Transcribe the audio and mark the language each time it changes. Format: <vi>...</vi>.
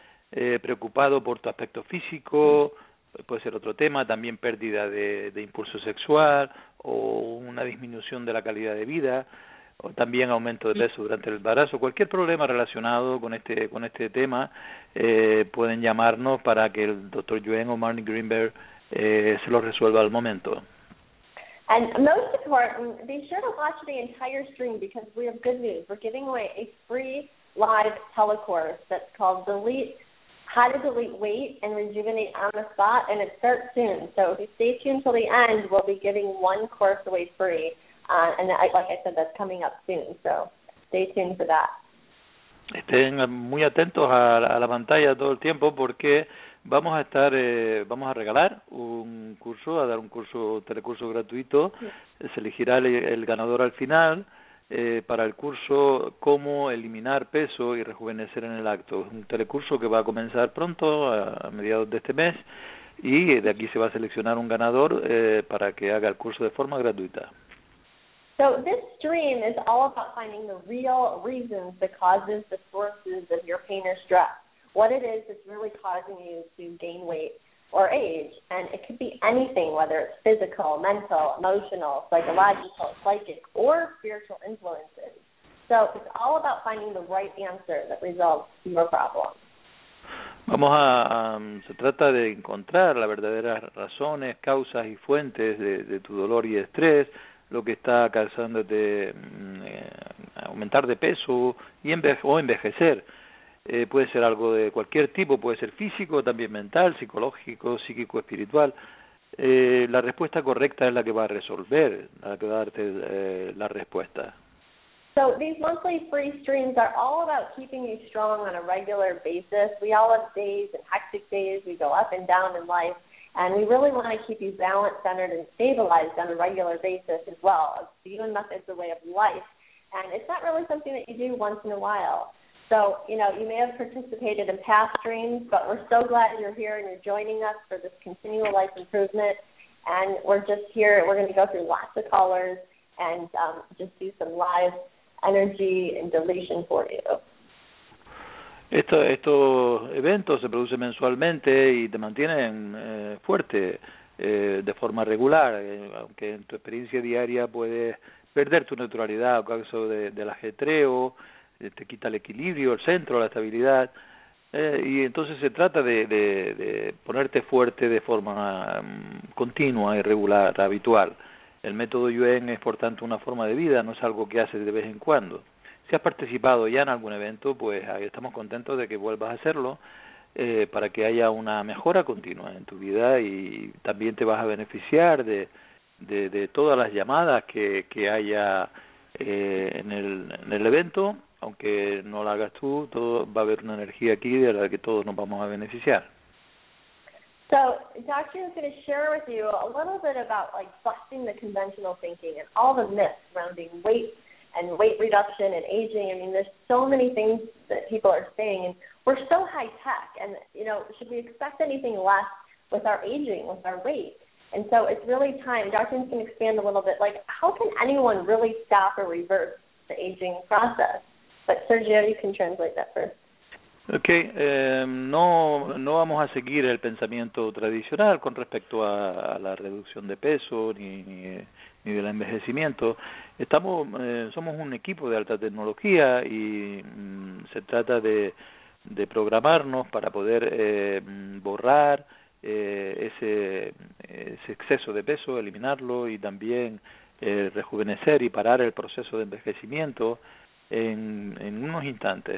<es>preocupado por tu aspecto físico, puede ser otro tema, también pérdida de impulso sexual o una disminución de la calidad de vida, o también aumento de peso durante el embarazo. Cualquier problema relacionado con este tema, pueden llamarnos para que el Dr. Yuen o Marnie Greenberg se lo resuelva al momento.</es> <en>And most important, be sure to watch the entire stream because we have good news. We're giving away a free live telecourse that's called How to Delete Weight and Rejuvenate on the Spot, and it starts soon. So if you stay tuned till the end, we'll be giving one course away free. And like I said, that's coming up soon. So stay tuned for that.</en> <es>Estén muy atentos a la pantalla todo el tiempo porque vamos a estar, vamos a regalar un curso, a dar un curso, telecurso gratuito. Sí. Se elegirá el ganador al final para el curso Cómo Eliminar Peso y Rejuvenecer en el Acto. Es un telecurso que va a comenzar pronto, a mediados de este mes, y de aquí se va a seleccionar un ganador para que haga el curso de forma gratuita.</es> <en>So this stream is all about finding the real reasons, the causes, the sources of your pain or stress. What it is that's really causing you to gain weight or age. And it could be anything, whether it's physical, mental, emotional, psychological, psychic, or spiritual influences. So it's all about finding the right answer that resolves your problem.</en> <es>Vamos a, se trata de encontrar las verdaderas razones, causas y fuentes de tu dolor y estrés, lo que está causándote aumentar de peso y o envejecer. Puede ser algo de cualquier tipo, puede ser físico, también mental, psicológico, psíquico, espiritual. La respuesta correcta es la que va a resolver, la que va a darte la respuesta.</es> <en>So these monthly free streams are all about keeping you strong on a regular basis. We all have days and hectic days. We go up and down in life. And we really want to keep you balanced, centered, and stabilized on a regular basis as well. The Yuen method is a way of life. And it's not really something that you do once in a while. So, you know, you may have participated in past streams, but we're so glad you're here and you're joining us for this continual life improvement. And we're just here. We're going to go through lots of callers and just do some live energy and deletion for you.</en> <es>Estos eventos se producen mensualmente y te mantienen fuerte de forma regular, aunque en tu experiencia diaria puedes perder tu neutralidad a causa del ajetreo, te quita el equilibrio, el centro, la estabilidad, y entonces se trata de ponerte fuerte de forma continua y regular, habitual. El método Yuen es, por tanto, una forma de vida, no es algo que haces de vez en cuando. Si has participado ya en algún evento, pues ahí estamos contentos de que vuelvas a hacerlo para que haya una mejora continua en tu vida y también te vas a beneficiar de todas las llamadas que haya en el evento, aunque no la hagas tú, todo va a haber una energía aquí de la que todos nos vamos a beneficiar.</es> <en>So, Dr. Yuen is going to share with you a little bit about like busting the conventional thinking and all the myths surrounding weight and weight reduction and aging. I mean, there's so many things that people are saying, and we're so high tech, and you know, should we expect anything less with our aging, with our weight? And so it's really time. Dr. Yuen can expand a little bit, like how can anyone really stop or reverse the aging process? But Sergio, you can translate that first.</en> <es>Okay, no vamos a seguir el pensamiento tradicional con respecto a la reducción de peso ni del envejecimiento. Somos un equipo de alta tecnología y se trata de programarnos para poder borrar ese exceso de peso, eliminarlo y también rejuvenecer y parar el proceso de envejecimiento en unos instantes.</es>